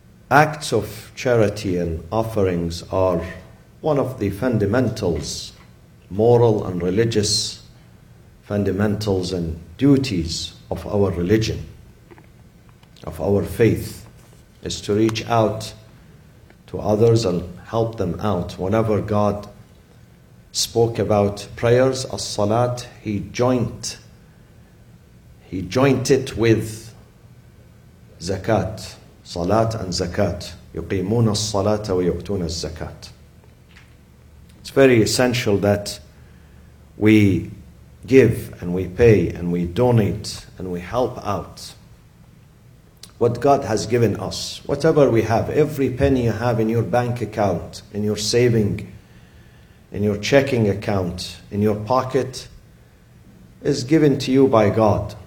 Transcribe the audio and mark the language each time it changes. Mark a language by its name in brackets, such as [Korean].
[English] Acts of charity and offerings are one of the fundamentals, moral and religious fundamentals and duties of our religion, of our faith, is to reach out to others and help them out. Whenever God spoke about prayers, as-salat, he joined it with zakat. Salat and zakat. [Arabic] يقيمون الصلاة ويؤتون الزكاة. [English] It's very essential that we give and we pay and we donate and we help out what God has given us. Whatever we have, every penny you have in your bank account, in your saving, in your checking account, in your pocket, is given to you by God.